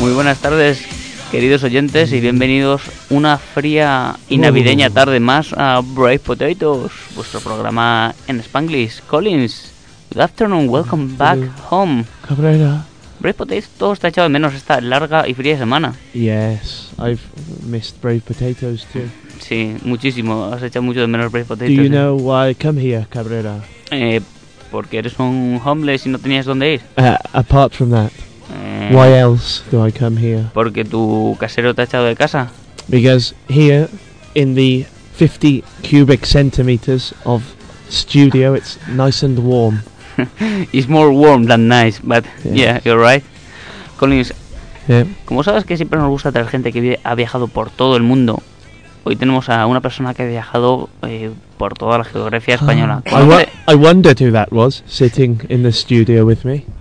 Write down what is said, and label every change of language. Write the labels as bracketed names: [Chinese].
[Spanish] Muy buenas tardes, queridos oyentes, y bienvenidos una fría y navideña tarde más a Brave Potatoes, vuestro programa en Spanglish. [English] Collins, good afternoon, welcome back home. [Spanish] Cabrera. Brave Potatoes, todo está echado de menos esta larga y fría semana. [English] Yes, I've missed Brave Potatoes too. [Spanish] Sí, muchísimo, has echado mucho de menos Brave Potatoes. [English] Do you know why I come here, Cabrera? [Spanish] Porque eres un homeless y no tenías dónde ir. [English] Apart from that. Why else do I come here? [Spanish] Porque tu casero te ha echado de casa. [English] Because here, in the 50 cubic centimeters of studio, it's nice and warm. It's more warm than nice, but yeah, you're right. [Spanish] Collins, como sabes que siempre nos gusta traer gente que ha viajado por todo el mundo, hoy tenemos a una persona que ha viajado por toda la geografía española. [English] I wondered who that was, sitting in the studio with me.